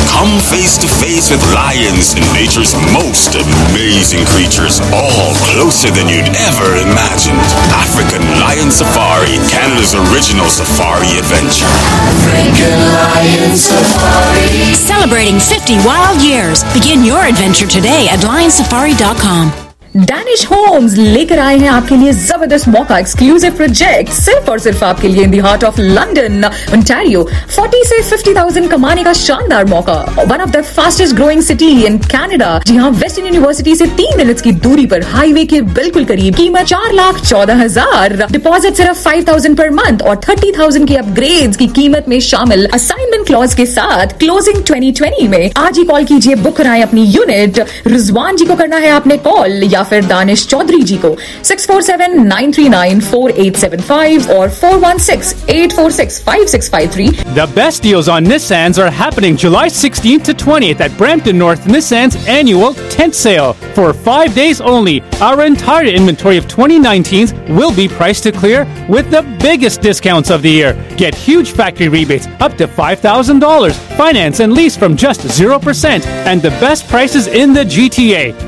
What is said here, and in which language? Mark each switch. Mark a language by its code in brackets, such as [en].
[en] Come face to face with lions and nature's most amazing creatures, all closer than you'd ever imagined. African Lion Safari, Canada's original safari adventure. African Lion Safari. Celebrating 50 wild years. Begin your adventure today at lionsafari.com. [hi] Danish Holmes लेकर आए हैं आपके लिए जबरदस्त मौका, exclusive project सिर्फ और सिर्फ आपके लिए [en] In the heart of London Ontario. [hi] 40,000 to 50,000 कमाने का शानदार मौका, [en] One of the fastest growing city in Canada. [hi] जी हाँ, वेस्टर्न यूनिवर्सिटी से 3 मिनट की दूरी पर हाईवे के बिल्कुल करीब, कीमत 4,14,000, डिपॉजिट सिर्फ 5,000 पर मंथ और 30,000 की अपग्रेड की कीमत में शामिल असाइनमेंट क्लॉज के साथ क्लोजिंग 2020 में। आज ही कॉल कीजिए, बुक कराए अपनी यूनिट। रिजवान जी को करना है आपने कॉल या फिर दानिश चौधरी जी को 6479394875 और 4168465653। [en] The best deals on Nissans are happening July 16th to 20th at Brampton North Nissan's annual tent sale. For 5 days only, our entire inventory of 2019s will be priced to clear with the biggest discounts of the year. Get huge factory rebates up to $5,000, finance and lease from just 0%, and the best prices in the GTA.